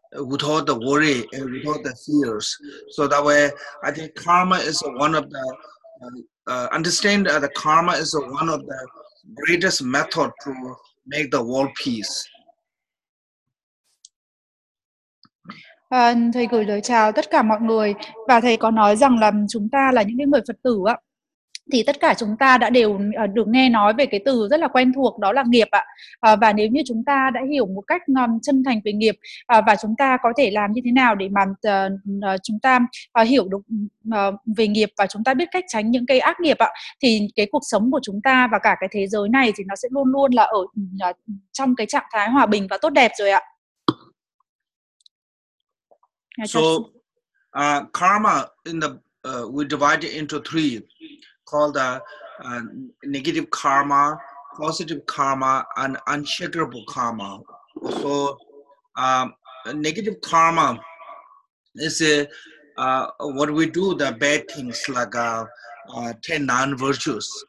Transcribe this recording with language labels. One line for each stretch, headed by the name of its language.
English: without the worry and without the fears. So that way, I think karma is one of the understand the karma is one of the greatest method to make the world peace.
Vietnamese: Thầy gửi lời chào tất cả mọi người, và thầy có nói rằng là chúng ta là những người Phật tử ạ, thì tất cả chúng ta đã đều được nghe nói về cái từ rất là quen thuộc, đó là nghiệp ạ. Và nếu như chúng ta đã hiểu một cách chân thành về nghiệp, và chúng ta có thể làm như thế nào để mà chúng ta hiểu được về nghiệp và chúng ta biết cách tránh những cái ác nghiệp ạ, thì cái cuộc sống của chúng ta và cả cái thế giới này thì nó sẽ luôn luôn là ở trong cái trạng thái hòa bình và tốt đẹp rồi ạ.
English: So, karma in the we divide it into three, called the negative karma, positive karma, and unshakable karma. So, negative karma is what we do, the bad things like 10 non-virtues.